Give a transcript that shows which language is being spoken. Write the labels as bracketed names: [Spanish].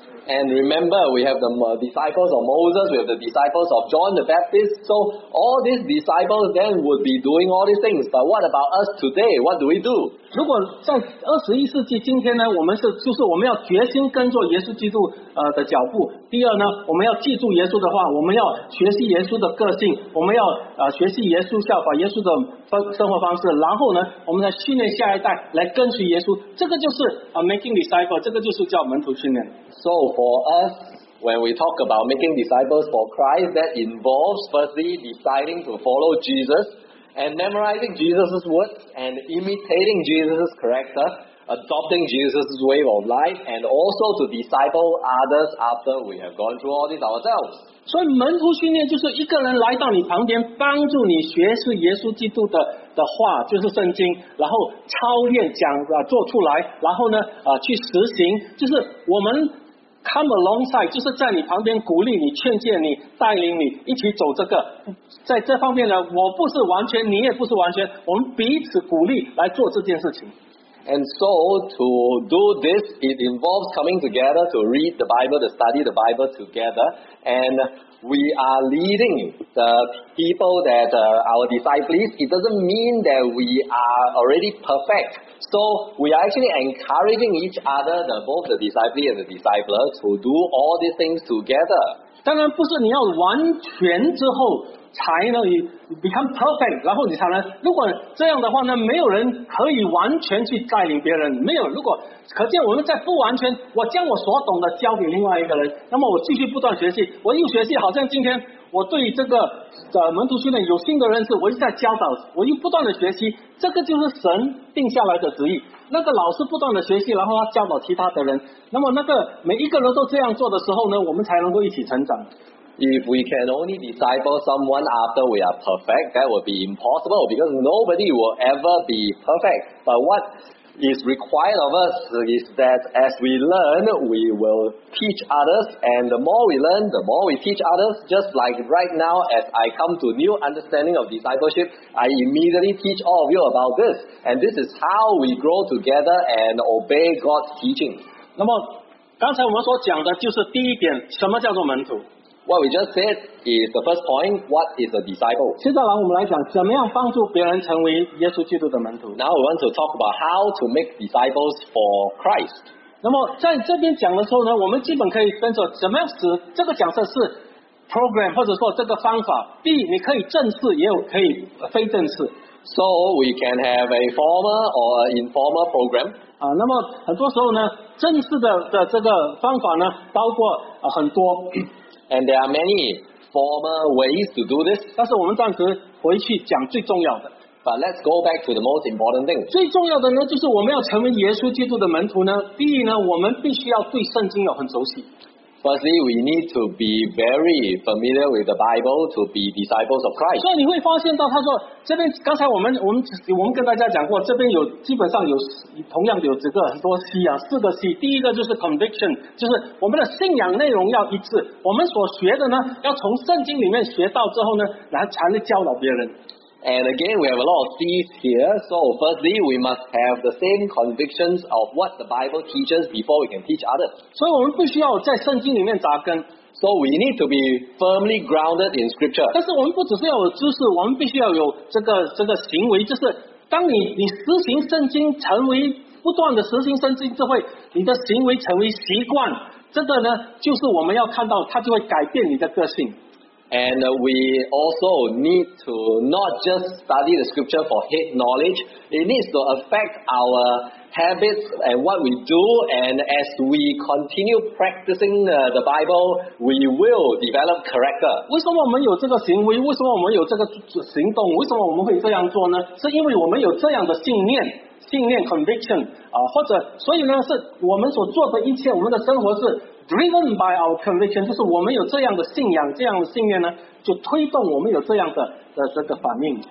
[English] And remember, we have the disciples of Moses, we have the disciples of John the Baptist, so all these disciples then would be doing all these things. But what about us today? What do we do? [Chinese] 如果在二十一世纪今天呢，我们是，就是我们要决心跟着耶稣基督的脚步。第二呢，我们要记住耶稣的话，我们要学习耶稣的个性，我们要学习耶稣效法耶稣的生活方式，然后呢，我们来训练下一代来跟随耶稣。这个就是 [English] making disciple, [Chinese] 这个就是叫门徒训练。 [English] So for us, when we talk about making disciples for Christ, that involves firstly deciding to follow Jesus and memorizing Jesus' words and imitating Jesus' character. Adopting Jesus' way of life and also to disciple others after we have gone through all this ourselves. [Chinese] 所以门徒训练就是一个人来到你旁边帮助你学习耶稣基督的话，就是圣经，然后操练讲做出来，然后呢去实行，就是我们 [English] come alongside, [Chinese] 就是在你旁边鼓励你，劝诫你，带领你一起走这个。在这方面呢，我不是完全，你也不是完全，我们彼此鼓励来做这件事情。 [English] And so to do this, it involves coming together to read the Bible, to study the Bible together. And we are leading the people that our disciples. It doesn't mean that we are already perfect. So we are actually encouraging each other, both the disciples and the disciples, to do all these things together. [Chinese] 当然不是你要完全之后才能 [English] become perfect, [Chinese] 然后你才能，如果这样的话呢，没有人可以完全去带领别人，没有，如果可见我们在不完全，我将我所懂的交给另外一个人，那么我继续不断学习，我又学习，好像今天我对这个门徒训练有新的认识，我又在教导，我又不断的学习，这个就是神定下来的旨意，那个老师不断的学习，然后他教导其他的人，那么那个每一个人都这样做的时候呢，我们才能够一起成长。 [English] If we can only disciple someone after we are perfect, that would be impossible because nobody will ever be perfect. But what is required of us is that as we learn, we will teach others. And the more we learn, the more we teach others. Just like right now, as I come to new understanding of discipleship, I immediately teach all of you about this. And this is how we grow together and obey God's teaching. [Chinese] 那么刚才我们所讲的就是第一点，什么叫做门徒？ [English] What we just said is the first point, what is a disciple? [Chinese] 接下来我们来讲怎么样帮助别人成为耶稣基督的门徒。 [English] Now we want to talk about how to make disciples for Christ. [Chinese] 那么在这边讲的时候呢，我们基本可以分说，怎么样使这个假设是 program 或者说这个方法。第一，你可以正式，也有可以非正式。 [English] So we can have a formal or informal program. [Chinese] 啊，那么很多时候呢，正式的这个方法呢，包括、很多。 [English] And there are many formal ways to do this. [Chinese] 但是我们暂时回去讲最重要的。 [English] But let's go back to the most important thing. [Chinese] 最重要的呢，就是我们要成为耶稣基督的门徒呢。第一呢，我们必须要对圣经有很熟悉。 [English] Firstly, we need to be very familiar with the Bible to be disciples of Christ. [Chinese] 所以你会发现到他说这边刚才我们跟大家讲过，这边有基本上有同样有这个很多 C 啊，四个 C。第一个就是 conviction， 就是我们的信仰内容要一致。我们所学的呢，要从圣经里面学到之后呢，来才能教导别人。 [English] And again, we have a lot of C's here. So firstly, we must have the same convictions of what the Bible teaches before we can teach others. [Chinese] 所以我们不需要在圣经里面扎根。 [English] So we need to be firmly grounded in scripture. [Chinese] 但是我们不只是要有知识，我们必须要有这个行为，就是当你实行圣经，成为不断的实行圣经智慧，你的行为成为习惯，这个呢，就是我们要看到它就会改变你的个性。 [English] And we also need to not just study the scripture for head knowledge. It needs to affect our habits and what we do. And as we continue practicing the Bible, we will develop character. [Chinese] 为什么我们有这个行为？为什么我们有这个行动？为什么我们会这样做呢？是因为我们有这样的信念 conviction 啊，或者所以呢，是我们所做的一切，我们的生活是。 [English] Driven by our conviction, [Chinese] 就是我们有这样的信仰，这样的信念呢，就推动我们有这样的这个反应。